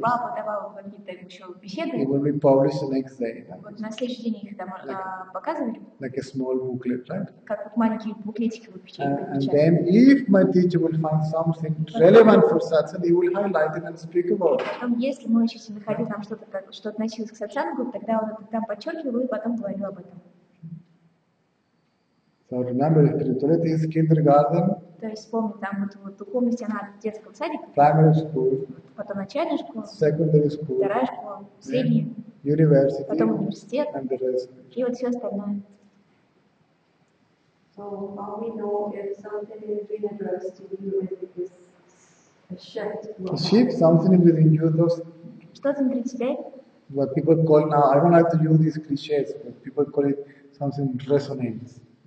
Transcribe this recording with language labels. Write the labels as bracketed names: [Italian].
[Russian] Baba давал какие-то еще беседы, [English] it will be published the next day. [Russian] Вот на следующий день их там показывали. [English] Like a small booklet, right? [Russian] Как вот маленькие буклетики выпечатали. [English] And then if my teacher will find something relevant for satsang, he will highlight it and speak about it. [Russian] Потом, если мой учитель находил там что-то, что относилось к сатсангу, тогда он там подчеркивал и потом говорил об этом. [English] So remember, spirituality is kindergarten. [Russian] То есть помни, там вот духовность она от детского садика. [English] Primary school. [Russian] потом начальная школа, [English] secondary school, [Russian] вторая школа, средняя, [English] university, [Russian] потом университет и вот все остальное. [English] So how we know if something in the university is a shift? A shift, something in the university. [Russian] Что внутри тебя? [English] What people call now, I don't like to use these cliches, but people call it something resonates.